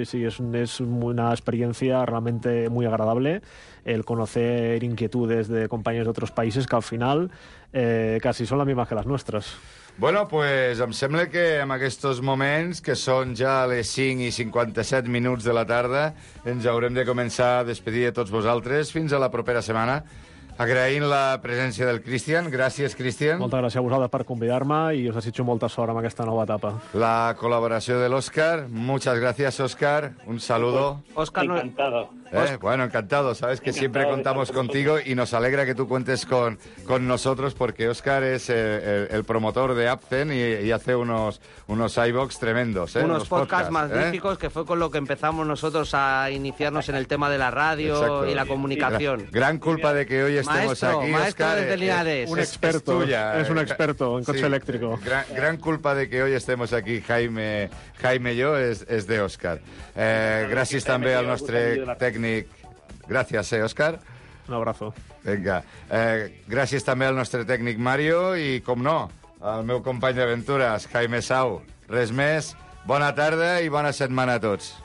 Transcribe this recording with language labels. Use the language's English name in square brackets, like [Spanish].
[Spanish] Sí, es una experiencia realmente muy agradable el conocer inquietudes de compañeros de otros países que al final casi son las mismas que las nuestras. [Catalan] Bueno, pues em sembla que en aquests moments, que són ja les 5 i 57 minuts de la tarda, ens haurem de començar a despedir de tots vosaltres. Fins a la propera setmana. Agraïm la presència del Cristian. Gràcies, Cristian. Moltes gràcies a vosaltres per convidar-me i us desitjo molta sort en aquesta nova etapa. La col·laboració de l'Òscar. [Spanish] Muchas gracias, Òscar. Un saludo. Òscar, no... Encantado. Bueno, encantado. Sabes que siempre contamos contigo y nos alegra que tú cuentes con nosotros porque Òscar es el promotor de Apcen y hace unos iVox tremendos. Unos podcasts magníficos, que fue con lo que empezamos nosotros a iniciarnos en el tema de la radio. Exacto. Y la comunicación. Gran culpa de que hoy estemos maestro, aquí, Óscar. Maestro de Linares. Un experto. Es un experto en coche eléctrico. Gran culpa de que hoy estemos aquí, Jaime y yo, es de Óscar. Gracias también al nuestro técnico. Gracias, Óscar. Un abrazo. Venga. Gracias también al nuestro técnico Mario y, como no, [Catalan] al meu company d'aventures, Jaime Sau. Res més, bona tarda i bona setmana a tots.